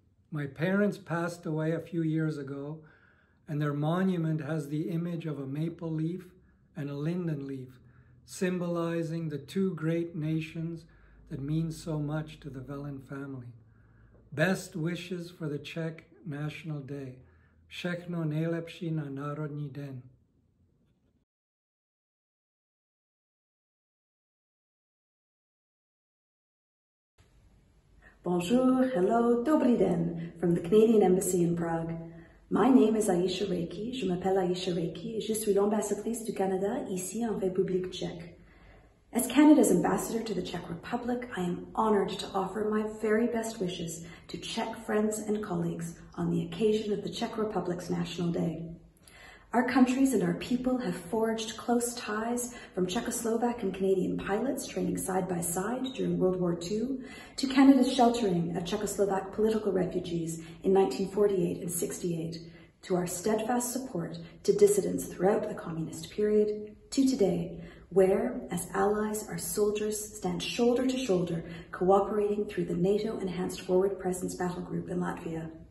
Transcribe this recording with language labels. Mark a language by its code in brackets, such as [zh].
[en] My parents passed away a few years ago, and their monument has the image of a maple leaf and a linden leaf, symbolizing the two great nations that mean so much to the Velen family. Best wishes for the Czech National Day. [cs] Všechno nejlepší na Národní den. [en] Bonjour, hello, [cs] dobrý den [en] from the Canadian Embassy in Prague. My name is [fr] Aisha Reiki, je m'appelle Aisha Reiki, et je suis l'ambassadrice du Canada ici en République Tchèque. [en] As Canada's ambassador to the Czech Republic, I am honored to offer my very best wishes to Czech friends and colleagues on the occasion of the Czech Republic's National Day. Our countries and our people have forged close ties from Czechoslovak and Canadian pilots training side by side during World War II to Canada's sheltering of Czechoslovak political refugees in 1948 and 68, to our steadfast support to dissidents throughout the communist period, to today, where, as allies, our soldiers stand shoulder to shoulder, cooperating through the NATO Enhanced Forward Presence Battle Group in Latvia.